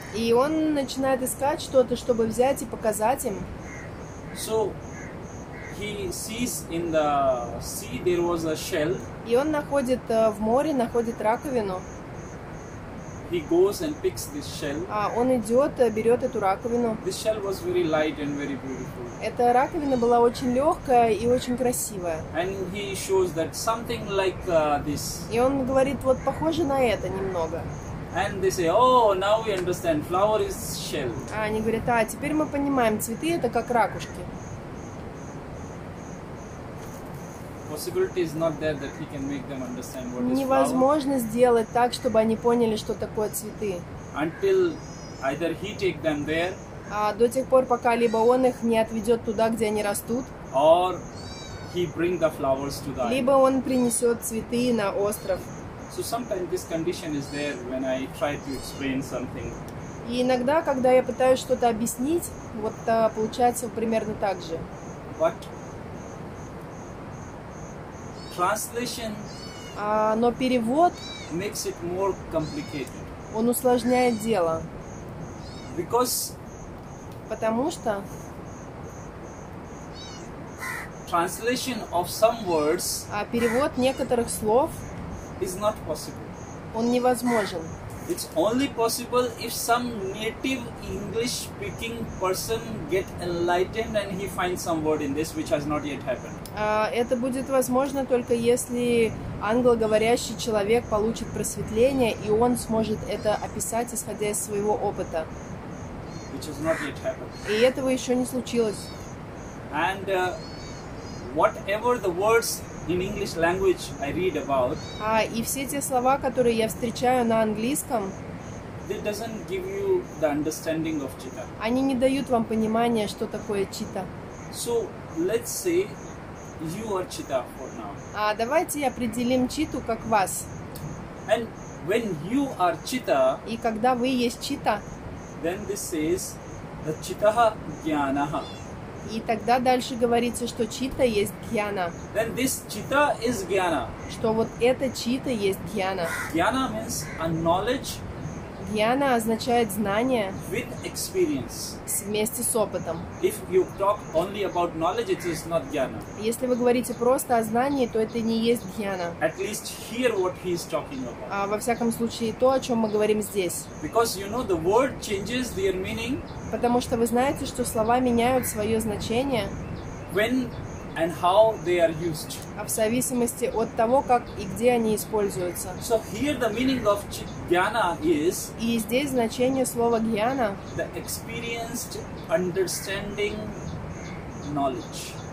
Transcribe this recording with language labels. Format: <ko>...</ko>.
<ru>И он начинает искать что-то, чтобы взять и показать им.</ru> <en>So he sees in the sea there was a shell.</en> <ru>И он находит в море находит раковину.</ru> <en>He goes and picks this shell.</en> <ru>А он идет, берет эту раковину.</ru> <en>This shell was very light and very beautiful.</en> <ru>Эта раковина была очень легкая и очень красивая.</ru> <en>And he shows that something like this.</en> <ru>И он говорит, вот похоже на это немного.</ru> <en>And they say, oh, now we understand. Flower is shell.</en> <ru>А они говорят, а теперь мы понимаем, цветы это как ракушки.</ru> <en>Possibility is not there that he can make them understand what is flower.</en> <ru>Невозможно сделать так, чтобы они поняли, что такое цветы.</ru> <en>Until either he take them there.</en> <ru>А до тех пор, пока либо он их не отведет туда, где они растут,</ru> <en>or he bring the flowers to the</en> <ru>либо он принесет цветы на остров.</ru> <en>So sometimes this condition is there when I try to explain something.</en> <ru>И иногда, когда я пытаюсь что-то объяснить, вот получается примерно так же.</ru> <en>But translation</en> <ru>но перевод</ru> <en>makes it more complicated.</en> <ru>Он усложняет дело. Потому что</ru> <en>translation of some words,</en> <ru>а перевод некоторых слов</ru> <en>is not possible.</en> <ru>Он невозможен.</ru> <en>It's only possible if some native English-speaking person get enlightened and he finds some word in this which has not yet happened.</en> <ru>Это будет возможно только если англоговорящий человек получит просветление и он сможет это описать исходя из своего опыта.</ru> <en>Which has not yet happened.</en> <ru>И этого еще не случилось.</ru> <en>And whatever the words in English language I read about.</en> <ru>И все те слова, которые я встречаю на английском.</ru> <en>They doesn't give you the understanding of cheetah.</en> <ru>Они не дают вам понимания, что такое чита.</ru> <en>So let's say you are cheetah for now.</en> <ru>Давайте определим читу как вас.</ru> <en>And when you are cheetah.</en> <ru>И когда вы есть чита.</ru> <en>Then this says, the cheetah gyanah.</en> <ru>И тогда дальше говорится, что чита есть гьяна.</ru> <en>Then this cheetah is gyana.</en> <ru>Что вот эта чита есть гьяна.</ru> <en>Gyana means a knowledge.</en> <ru>Гьяна означает знание.</ru> <en>With experience.</en> <ru>Вместе с опытом.</ru> <en>If you talk only about knowledge, it is not gyana.</en> <ru>Если вы говорите просто о знании, то это не есть гьяна.</ru> <en>At least hear what he is talking about.</en> <ru>Во всяком случае, то, о чем мы говорим здесь.</ru> <en>Because you know the word changes their meaning.</en> <ru>Потому что вы знаете, что слова меняют свое значение.</ru> <en>When and how they are used.</en> <ru>В зависимости от того, как и где они используются.</ru> <en>So here the meaning of jnana is.</en> <ru>И здесь значение слова jnana.</ru> <en>The experienced understanding knowledge.</en>